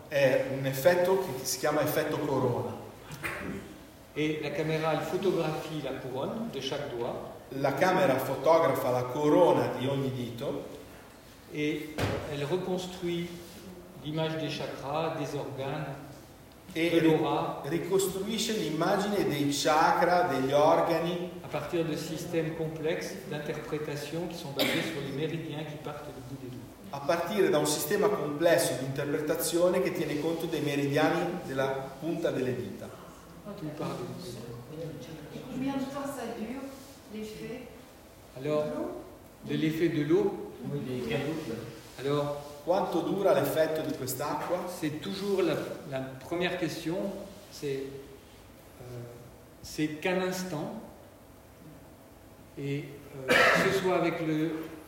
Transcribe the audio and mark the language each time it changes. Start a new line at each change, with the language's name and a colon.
Italian: È un effetto che si chiama effetto corona.
French: Et la caméra elle photographie la couronne de chaque doigt.
Italian: La camera fotografa la corona di ogni dito.
French: Et elle reconstruit l'image des chakras, des organes.
Italian: E ricostruisce l'immagine dei chakra, degli organi a partire
French: de système complexe d'interprétation qui sont basés sur les méridiens qui partent du bout des doigts.
Italian: A partire da un sistema complesso di interpretazione che tiene conto dei meridiani della punta delle dita. Tu parli.
French: Combien de temps ça dure l'effet? Alors, de l'effet de l'eau? Alors.
Italian: Quanto dura l'effetto di quest'acqua?
French: C'est toujours la première question, c'est qu'un instant, et que ce soit avec le,